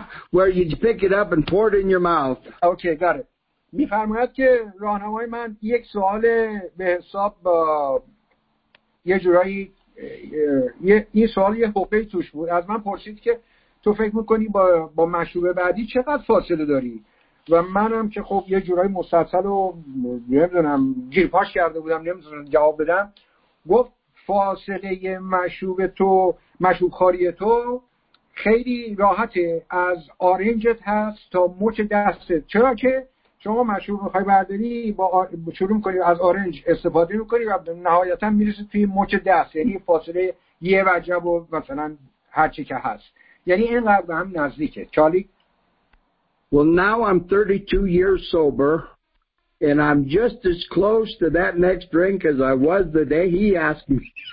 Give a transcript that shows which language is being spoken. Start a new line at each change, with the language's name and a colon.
English: Where you pick it up and pour it in your mouth. Okay, got it.
Persian: می فرماید که راهنمای من یک سوال به حساب یه جورایی یه سوال یه حقه توش بود. از من پرسید که تو فکر میکنی با مشروب بعدی چقدر فاصله داری؟ و منم که خب یه جورای مسلسل و نمیدونم گیرپاش کرده بودم نمیدونم جواب بدم، گفت فاصله مشروب تو مشروب خاری تو خیلی راحته، از آرنجت هست تا مچ دستت، چرا که شما مشروب میخوای برداری با شروع میکنی از آرنج استفاده میکنی و نهایتا میرسی توی مچ دست، یعنی فاصله یه وجب و مثلا هرچی که هست، یعنی اینقدر به هم نزدیکه. چالی؟
English: Well, now I'm 32 years sober, and I'm just as close to that next drink as I was the day he asked me.